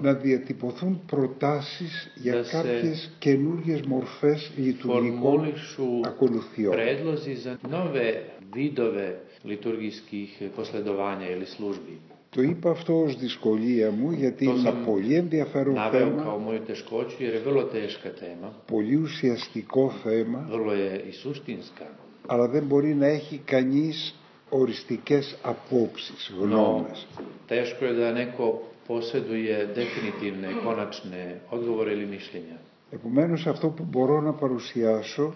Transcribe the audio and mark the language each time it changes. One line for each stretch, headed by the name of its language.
Greek: να διατυπωθούν προτάσεις για κάποιες καινούργιες μορφές λειτουργικών ακολουθιών.
Serbian: Predlozi za nove vidove liturgijskih posledovanja ili službi.
Greek: Το είπα αυτό ως δυσκολία μου, γιατί είναι πολύ ενδιαφέρον θέμα.
Serbian: Kao moju teškoću, jer je vrlo teška tema.
Greek: Πολύ ουσιαστικό θέμα.
Serbian: Vrlo je i suštinska.
Greek: Αλλά δεν μπορεί να έχει κανείς οριστικές απόψεις, γνώμες.
Serbian: Teško je da neko posjeduje definitivne, konačne odgovore ili mišljenja.
Greek: Επομένως, αυτό που μπορώ να παρουσιάσω,